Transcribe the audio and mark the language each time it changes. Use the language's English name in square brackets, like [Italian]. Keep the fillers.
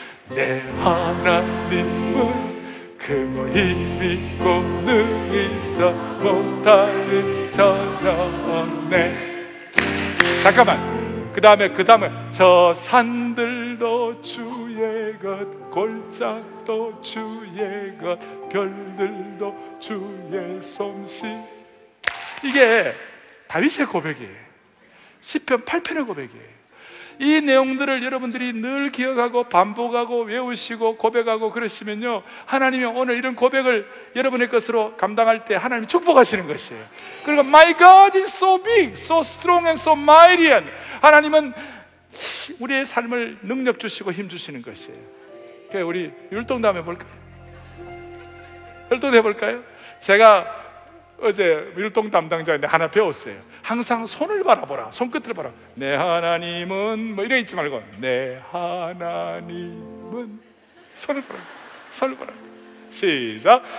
[Korean] 내 하나님은 크고 힘있고 늘 있어 못하니 전혀 없네 잠깐만 그 다음에 그 다음에 저 산들도 주의 것 골짜도 주의 것 별들도 주의 솜씨 이게 다윗의 고백이에요. 시편 8편의 고백이에요. 이 내용들을 여러분들이 늘 기억하고 반복하고 외우시고 고백하고 그러시면요. 하나님이 오늘 이런 고백을 여러분의 것으로 감당할 때 하나님이 축복하시는 것이에요. 그리고 [English] My God is so big, so strong and so mighty. [Korean] and 하나님은 우리의 삶을 능력 주시고 힘 주시는 것이에요. 그러니까 우리 율동도 한번 해볼까요? 율동도 해볼까요? 제가 어제 율동 담당자인데 하나 배웠어요. 항상 손을 바라보라. 손끝을 바라. 내 하나님은 뭐 이래 있지 말고 내 하나님은 손을 바라. 손을 바라. 시작.